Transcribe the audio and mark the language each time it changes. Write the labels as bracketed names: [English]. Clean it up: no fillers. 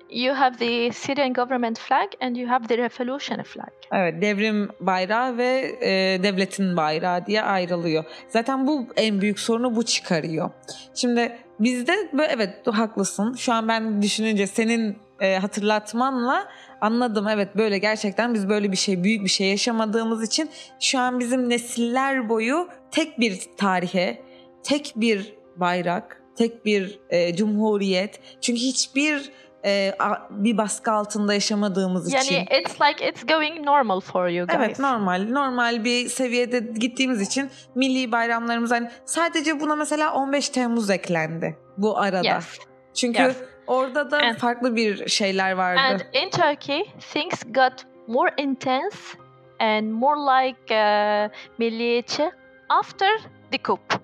[English] You have the Syrian government flag and you have the revolution flag. [Turkish] Evet, devrim bayrağı ve devletin bayrağı diye ayrılıyor. Zaten bu en büyük sorunu bu çıkarıyor. Şimdi bizde böyle, evet haklısın. Şu an ben düşününce senin hatırlatmanla anladım. Evet böyle gerçekten biz böyle bir şey, büyük bir şey yaşamadığımız için şu an bizim nesiller boyu tek bir tarihe, tek bir bayrak, tek bir cumhuriyet. Çünkü hiçbir bir baskı altında yaşamadığımız yani için. Yani [English] it's like it's going normal for you guys. [Turkish] Evet normal. Normal bir seviyede gittiğimiz için milli bayramlarımız. Hani sadece buna mesela 15 Temmuz eklendi bu arada. [English] Yes. [Turkish] Çünkü [English] yes. [Turkish] Orada da [English] and, [Turkish] farklı bir şeyler vardı. [English] And in Turkey things got more intense and more like milliyetçi after the coup.